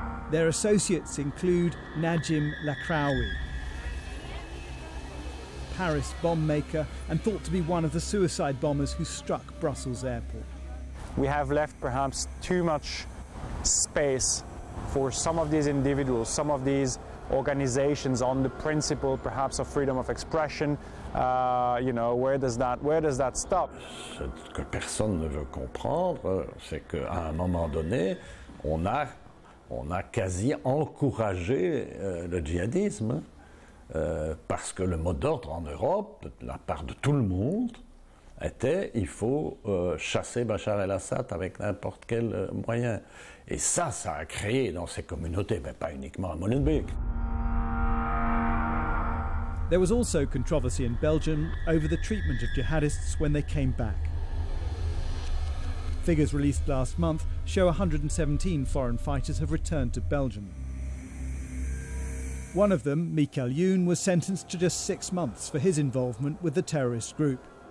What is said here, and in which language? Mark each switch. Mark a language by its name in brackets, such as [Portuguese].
[English] Their associates include Najim Lakraoui, Paris bomb maker and thought to be one of the suicide bombers who struck Brussels airport. We have left perhaps too much space for some of these individuals, some of these organizations on the principle perhaps of freedom of expression. Where does that stop? [French] Ce que personne ne veut comprendre, c'est qu'à un moment donné, on a quasi encouragé le djihadisme. Parce que le mot d'ordre en Europe, de la part de tout le monde, était « il faut chasser Bachar el-Assad avec n'importe quel moyen ». Et ça, ça a créé dans ces communautés, mais pas uniquement à Molenbeek. [English] There was also controversy in Belgium over the treatment of jihadists when they came back. Figures released last month show 117 foreign fighters have returned to Belgium. One of them, Mikael Youn, was sentenced to just 6 months for his involvement with the terrorist group.